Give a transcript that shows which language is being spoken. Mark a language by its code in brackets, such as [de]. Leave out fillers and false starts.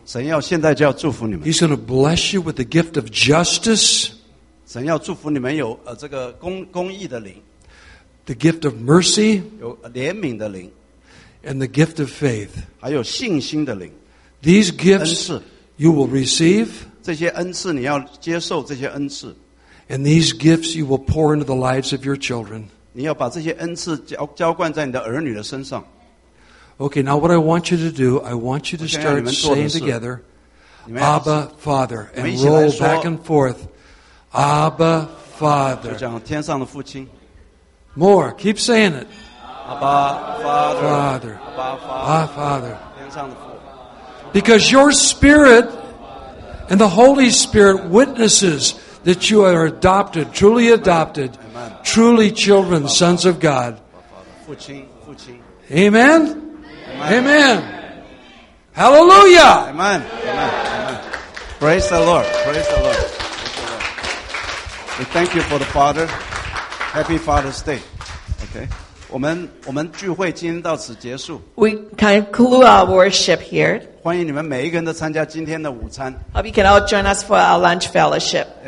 [en] He's going to bless you with the gift of justice. [zh] 神要祝福你们有, 这个公义的灵, [en] the gift of mercy. [zh] 有怜悯的灵, [en] and the gift of faith. [zh] 还有信心的灵, [en] these gifts 恩赐, you will receive. [zh] 这些恩赐, 你要接受这些恩赐, [en] and these gifts you will pour into the lives of your children. [zh] 你要把这些恩赐浇, 浇灌在你的儿女的身上。 [en] Okay, now what I want you to do, I want you to start saying together, [zh] 你们要, [en] Abba, Father, and roll back and forth. Abba, Father. [zh] 就讲天上的父亲, [en] more, keep saying it. Abba, Father. Father. Abba, Father. Ah, Father. Because your Spirit and the Holy Spirit witnesses that you are adopted, truly adopted, Amen. Truly children, Father. Sons of God. Father. Amen? Amen. Amen. Amen. Hallelujah. Amen. Amen. Amen. Praise the Lord. Praise the Lord. We thank you for the Father. Happy Father's Day. Okay. [zh] 我们聚会今天到此结束。 [en] We conclude our worship here. [zh] 欢迎你们每一个人都参加今天的午餐。 [en] Hope you can all join us for our lunch fellowship.